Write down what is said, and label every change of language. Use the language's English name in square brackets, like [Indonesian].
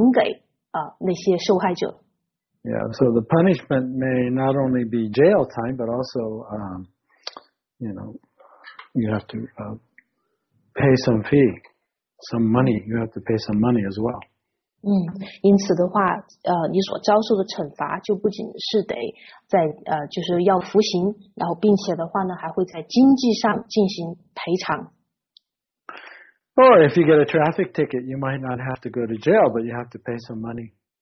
[Chinese] 并且还很有可能你需要将那些骗走的钱的话呢，再还给那些受害者。 [English] Yeah, so the punishment may not only be jail time, but also, you know, you have to pay some fee, some money. You have to pay some money as well. [Chinese] 因此的话，你所遭受的惩罚就不仅是得在，就是要服刑，然后并且的话呢，还会在经济上进行赔偿。Or [English] if you get a traffic ticket, you might not have to go to jail, but you have to pay some money.